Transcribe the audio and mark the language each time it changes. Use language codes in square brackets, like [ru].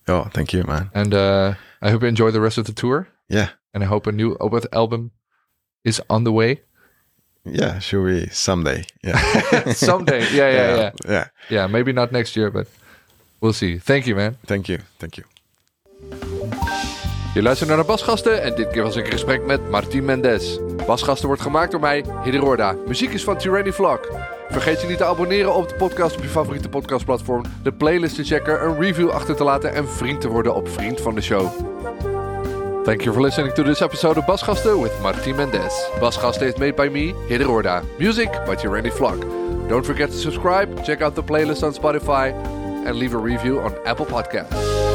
[en] Oh, thank you, man. And I hope you enjoy the rest of the tour. Yeah. And I hope a new Obeth album is on the way. Yeah, should be someday. Yeah. Someday. Yeah. Yeah. Yeah, maybe not next year, but we'll see. Thank you, man. Thank you. [nl] Je luistert naar de Basgasten en dit keer was ik in gesprek met Martin Mendes. Basgasten wordt gemaakt door mij, Hidden Roorda. Muziek is van Tyranny Flock. Vergeet je niet te abonneren op de podcast op je favoriete podcastplatform, de playlist te checken, een review achter te laten en vriend te worden op Vriend van de Show. [en] Thank you for listening to this episode of Basgasten with Martin Mendes. Basgasten is made by me, Hidden Roorda. Music by Tyranny Flock. Don't forget to subscribe, check out the playlist on Spotify and leave a review on Apple Podcasts.